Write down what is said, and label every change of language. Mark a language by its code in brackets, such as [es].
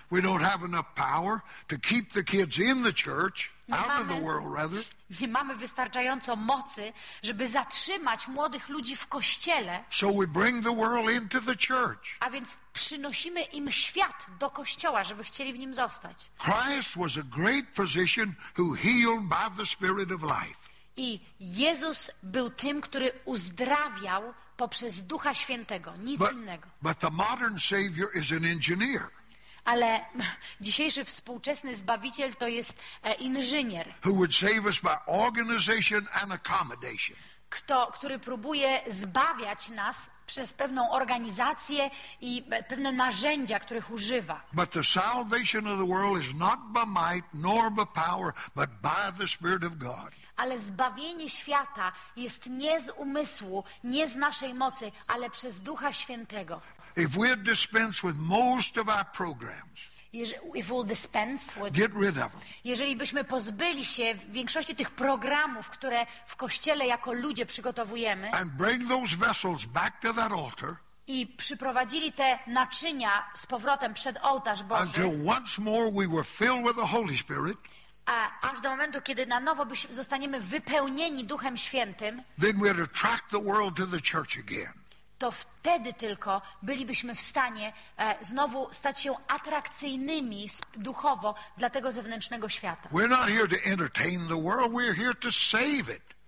[en] We don't have enough power to keep the kids in the church, out of the world rather. [pl] Nie mamy wystarczająco mocy, żeby zatrzymać młodych ludzi w kościele. [en] So we bring the world into the church. [pl] A więc przynosimy im świat do kościoła, żeby chcieli w nim zostać. [en] Christ was a great physician who healed by the Spirit of life. [pl] I Jezus był tym, który uzdrawiał poprzez Ducha Świętego, nic innego. [en] But the modern savior is an engineer. [pl] Ale dzisiejszy współczesny Zbawiciel to jest inżynier. [en] Who would save us by organization and accommodation. [pl] Który próbuje zbawiać nas przez pewną organizację i pewne narzędzia, których używa. [en] But the salvation of the world is not by might nor by power, but by the Spirit of God. [pl] Ale zbawienie świata jest nie z umysłu, nie z naszej mocy, ale przez Ducha Świętego. [en] If we dispense with most of our programs, if we'll dispense with, get rid of them. [pl] Jeżeli byśmy pozbyli się większości tych programów, które w kościele jako ludzie przygotowujemy, [en] and bring those vessels back to that altar, [pl] i przyprowadzili te naczynia z powrotem przed ołtarz Boży, [en] until once more we were filled with the Holy Spirit, [pl] a aż do momentu, kiedy na nowo zostaniemy wypełnieni Duchem Świętym, [en] then we'd attract the world to the church again. [pl] To wtedy tylko bylibyśmy w stanie znowu stać się atrakcyjnymi duchowo dla tego zewnętrznego świata. [en] We're not here to entertain the world, we're here to save it.